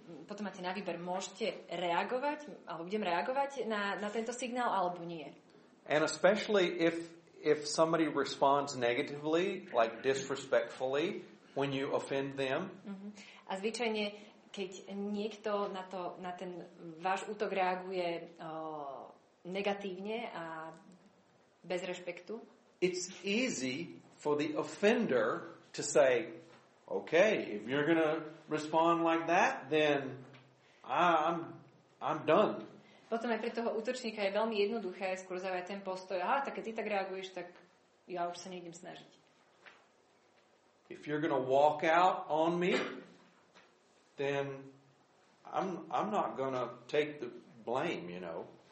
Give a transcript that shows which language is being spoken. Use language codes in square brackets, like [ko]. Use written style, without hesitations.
[sk] Potom máte na výber, môžete reagovať, alebo budem reagovať na tento signál, alebo nie. [en] And especially if somebody responds negatively, like disrespectfully, when you offend them. [sk] A zvyčajne, keď niekto na ten váš útok reaguje negatívne a bez rešpektu. [en] It's easy for the offender to say, okay, if you're gonna respond like that, then I'm done. [sk] Potom aj pre toho útočníka je veľmi jednoduché skôr zaujať ten postoj, aha, tak keď ty tak reaguješ, tak ja už sa nejdem snažiť. [en] If you're gonna walk out on me, then I'm not gonna take the blame, you know.